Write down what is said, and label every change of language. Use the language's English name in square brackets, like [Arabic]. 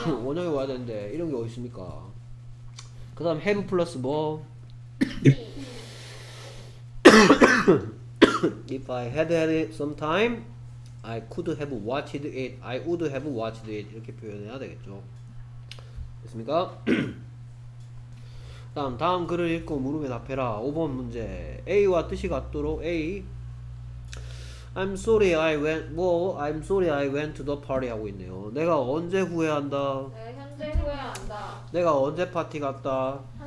[Korean] 원형에 와야 되는데 이런 게 어디 있습니까? 그 다음 have 플러스 뭐? [English] if I had had some time I could have watched it I would have watched it [Korean] 이렇게 표현해야 되겠죠. 됐습니까? 다음 글을 읽고 물음에 답해라. 5번 문제 A와 뜻이 같도록 A [English] I'm sorry I went well, I'm sorry I went to the party [Korean] 하고 있네요. 내가 언제 후회한다? 내가 현재 후회한다. 내가 언제 파티 갔다?